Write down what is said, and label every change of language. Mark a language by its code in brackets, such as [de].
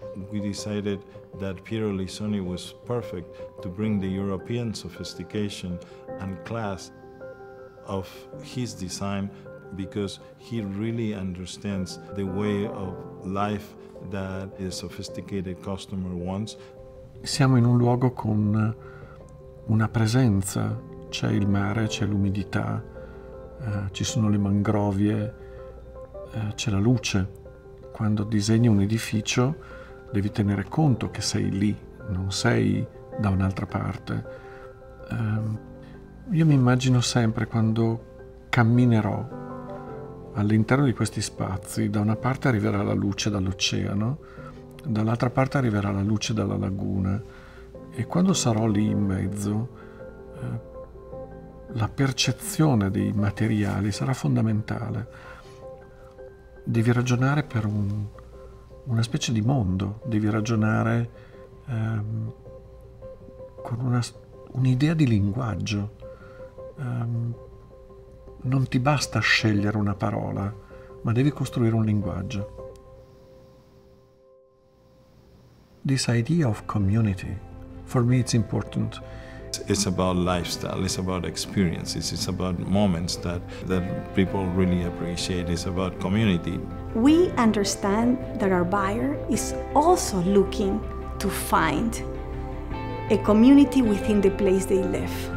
[en] We decided that Piero Lissoni was perfect to bring the European sophistication and class of his design, because he really understands the way of life that a sophisticated customer wants. [it] Siamo in un luogo con una presenza. C'è il mare, c'è l'umidità, ci sono le mangrovie, c'è la luce. Quando disegni un edificio devi tenere conto che sei lì, non sei da un'altra parte. Io mi immagino sempre quando camminerò all'interno di questi spazi, da una parte arriverà la luce dall'oceano, dall'altra parte arriverà la luce dalla laguna, e quando sarò lì in mezzo, la percezione dei materiali sarà fondamentale. Devi ragionare per una specie di mondo, devi ragionare con un'idea di linguaggio. Non ti basta scegliere una parola, ma devi costruire un linguaggio. [en] This idea of community, for me it's important. It's about lifestyle, it's about experiences, it's about moments that people really appreciate, it's about community. We understand that our buyer is also looking to find a community within the place they live.